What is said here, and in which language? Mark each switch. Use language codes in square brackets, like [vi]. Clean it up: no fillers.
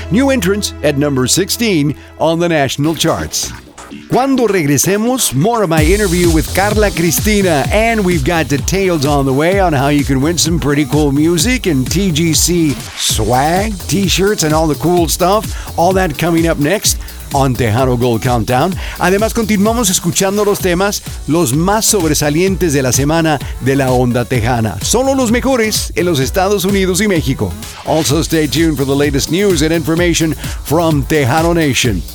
[en] New entrance at number 16 on the national charts. [es] Cuando regresemos, [en] more of my interview with Carla Cristina, and we've got details on the way on how you can win some pretty cool music and TGC swag, t-shirts, and all the cool stuff. All that coming up next on Tejano Gold Countdown. [es] Además, continuamos escuchando los temas los más sobresalientes de la semana de la onda tejana. Solo los mejores en los Estados Unidos y México. [en] Also, stay tuned for the latest news and information from Tejano Nation.